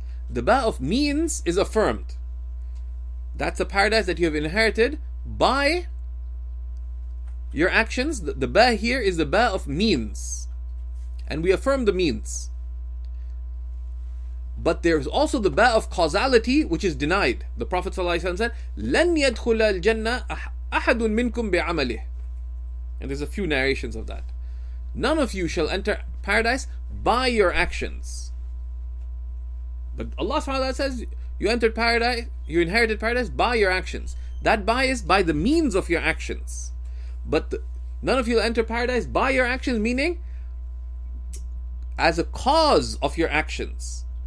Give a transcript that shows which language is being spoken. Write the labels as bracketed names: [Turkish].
[English] The ba of means is affirmed. That's a paradise that you have inherited by your actions. The ba here is the ba of means. And we affirm the means. But there's also the ba of causality, which is denied. The Prophet ﷺ said, [Arabic] لَنْ يَدْخُلَ الْجَنَّةَ أَحَدٌ مِنْكُمْ بِعَمَلِهِ. [English] And there's a few narrations of that. None of you shall enter paradise by your actions. But Allah subhanahu wa ta'ala says, you entered paradise, you inherited paradise by your actions. That by is by the means of your actions. But none of you will enter paradise by your actions, meaning as a cause of your actions.